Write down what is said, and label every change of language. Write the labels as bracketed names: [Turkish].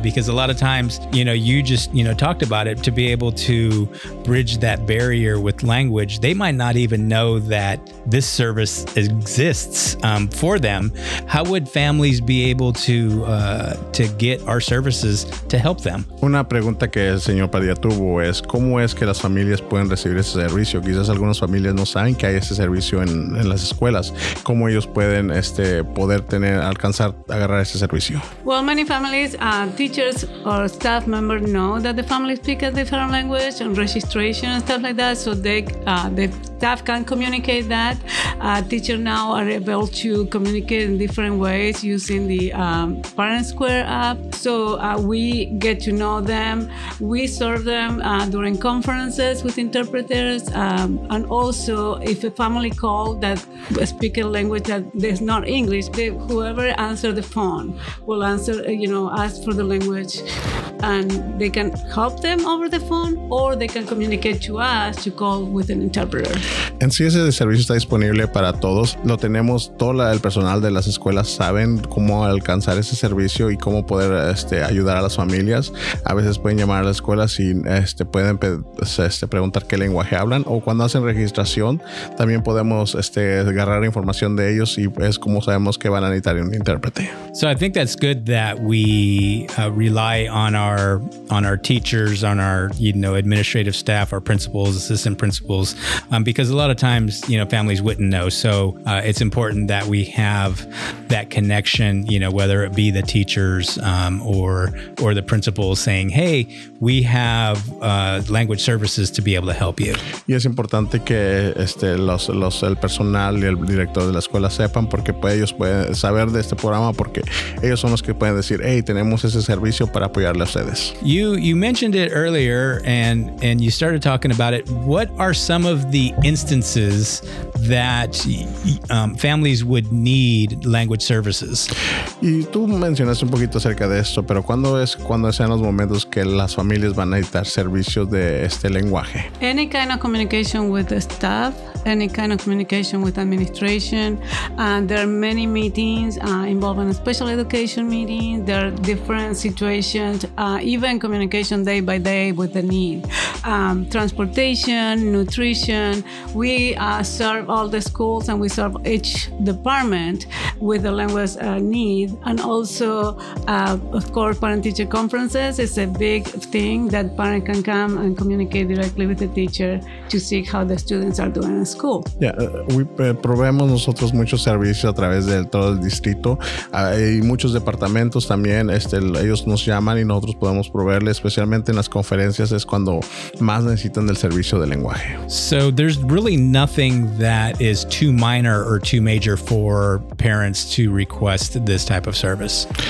[English] Because a lot of times, you know, you just, you know, talked about it, to be able to bridge that barrier with language, they might not even know that this service exists for them. How would families be able to get our services to help them? [Spanish] Una pregunta que el señor Padilla tuvo es, ¿cómo es que las familias pueden recibir ese servicio? Quizás algunas familias no saben que hay ese servicio en las escuelas. ¿Cómo ellos pueden poder tener, alcanzar, agarrar ese servicio? [English] Well, many families, teachers or staff members know that the family speaks a different language and registration and stuff like that, so the staff can communicate that. Teachers now are able to communicate in different ways using the Parent Square app. So we get to know them. We serve them during conferences with interpreters. And also, if a family call that speak a language that is not English, whoever answer the phone will answer, you know, ask for the language. And they can help them over the phone, or they can communicate to us to call with an interpreter. [Spanish] En sí, ese servicio está disponible para todos. Lo tenemos, todo el personal de las escuelas saben cómo alcanzar ese servicio y cómo poder ayudar a las familias. A veces pueden llamar a la escuela si pueden preguntar qué lenguaje hablan, o cuando hacen registración, también podemos agarrar información de ellos, y es como sabemos que van a necesitar un intérprete. [English] So I think that's good that we rely on our our teachers, on our, you know, administrative staff, our principals, assistant principals, because a lot of times, you know, families wouldn't know. So it's important that we have that connection, you know, whether it be the teachers or the principals saying, hey, we have language services to be able to help you. [Spanish] Y es importante que los el personal y el director de la escuela sepan, porque ellos pueden saber de este programa, porque ellos son los que pueden decir, hey, tenemos ese servicio para apoyarle a ustedes. [English] You mentioned it earlier and you started talking about it. What are some of the instances that families would need language services? [Spanish] Y tú mencionaste un poquito acerca de esto, pero cuando sean los momentos que las familias van a necesitar servicios de este lenguaje? [English] Any kind of communication with the staff, any kind of communication with administration. There are many meetings involving special education meetings. There are different situations, even communication day by day with the need. Transportation, nutrition. We serve all the schools and we serve each department with the language need. And also, of course, parent-teacher conferences is a big thing that parent can come and communicate directly with the teacher to see how the students are doing in school. [Spanish] Yeah, proveemos nosotros muchos servicios a través de todo el distrito. Hay muchos departamentos también. Ellos nos llaman y nosotros podemos proveerle, especialmente en las conferencias es cuando más necesitan del servicio de lenguaje. [English] So there's really nothing that is too minor or too major for parents to request this type of service.